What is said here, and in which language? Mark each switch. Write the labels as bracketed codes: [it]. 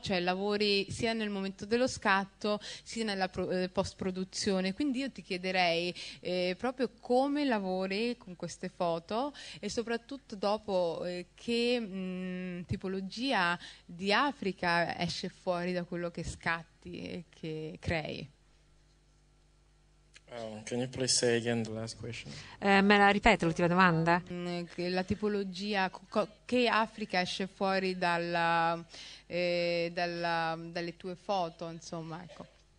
[it] Cioè lavori sia nel momento dello scatto sia nella post-produzione. Quindi io ti chiederei proprio come lavori con queste foto e soprattutto dopo che tipologia di Africa esce fuori da quello che scatti e che crei. [en] Can you please say again the last question? [it] Me la ripeto l'ultima domanda? La tipologia, che Africa esce fuori dalla, dalla, dalle tue foto, insomma, ecco.